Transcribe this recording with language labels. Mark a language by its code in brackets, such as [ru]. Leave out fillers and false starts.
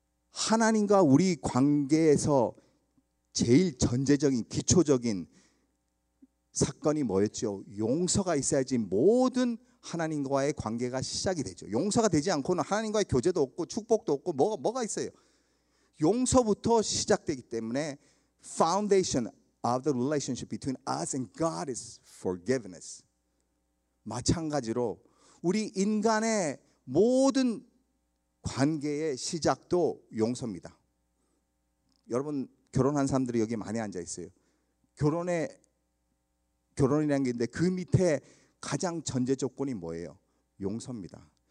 [ko] 하나님과 우리 관계에서 제일 전제적인 기초적인 사건이 뭐였죠? 용서가 있어야지 모든 하나님과의 관계가 시작이 되죠. 용서가 되지 않고는 하나님과의 교제도 없고 축복도 없고 뭐가 있어요? 용서부터 시작되기 때문에 [en] foundation of the relationship between us and God is forgiveness. [ko] 마찬가지로 우리 인간의 모든 관계의 시작도 용서입니다. 여러분 결혼한 사람들이 여기 많이 앉아 있어요. 결혼의 결혼이라는 게 있는데 그 밑에 가장 전제 조건이 뭐예요? 용서입니다.